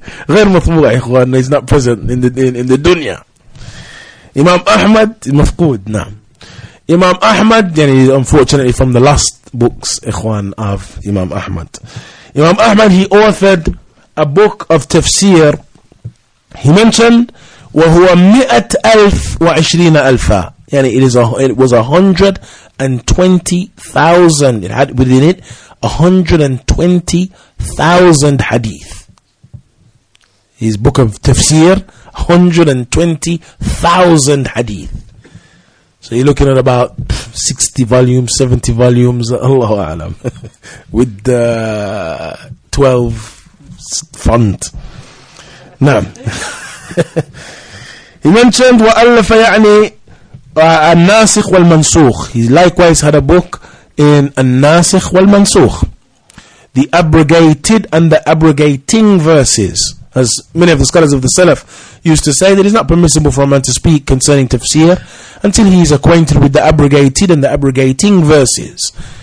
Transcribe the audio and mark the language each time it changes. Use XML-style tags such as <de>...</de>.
<ar>غير مطبوع يا إخوان,</ar> <en>he's not present in the dunya. Imam Ahmad,</en> <ar>مفقود, نعم.</ar> <en>Imam Ahmad, يعني unfortunately from the last books, إخوان, of Imam Ahmad. Imam Ahmad, he authored a book of tafsir. He mentioned,</en> <ar>وَهُوَ مِئَةْ أَلْفْ وَعِشْرِينَ أَلْفًا.</ar> <en>Yani it was 120,000. It had within it 120,000 hadith. His book of tafsir, 120,000 hadith. So you're looking at about 60 volumes, 70 volumes, Allahu A'lam, with 12 font. Nah. He mentioned</en> <ar>وَأَلَّفَ يَعْنِي النَّاسِخ وَالْمَنْسُوخ.</ar> <en>He likewise had a book in</en> <ar>النَّاسِخ وَالْمَنْسُوخ,</ar> <en>the abrogated and the abrogating verses. As many of the scholars of the Salaf used to say, that it is not permissible for a man to speak concerning tafsir until he is acquainted with the abrogated and the abrogating verses.</en>